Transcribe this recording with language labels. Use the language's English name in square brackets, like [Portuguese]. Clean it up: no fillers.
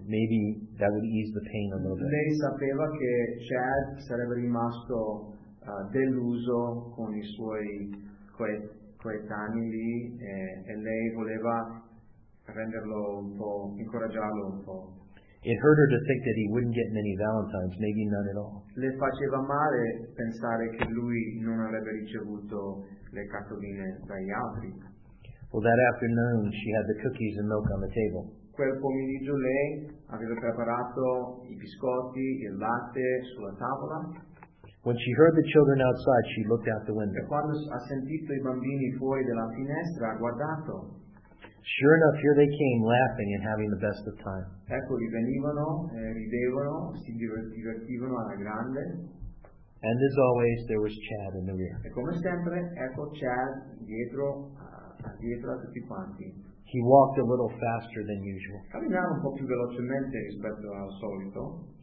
[English] Maybe that would ease the pain a little bit. [Italian] Lei sapeva che Chad sarebbe rimasto deluso con i suoi coetanei lì, e lei voleva renderlo un po', incoraggiarlo un po'. [English] It hurt her to think that he wouldn't get many Valentines, maybe none at all. [Italian] Le faceva male pensare che lui non avrebbe ricevuto le cartoline dagli altri. [English] Well, that afternoon she had the cookies and milk on the table. [Italian] Quel pomeriggio lei aveva preparato i biscotti e il latte sulla tavola. [English] When she heard the children outside, she looked out the window. [Italian] E quando ha sentito i bambini fuori dalla finestra, ha guardato. [English] Sure enough, here they came, laughing and having the best of time. [Italian] Eccoli venivano, ridevano, si divertivano alla grande. [English] And as always, there was Chad in the rear. [Italian] E come sempre, ecco Chad dietro, dietro a tutti quanti. [English] He walked a little faster than usual. [Italian] Camminava un po' più velocemente rispetto al solito.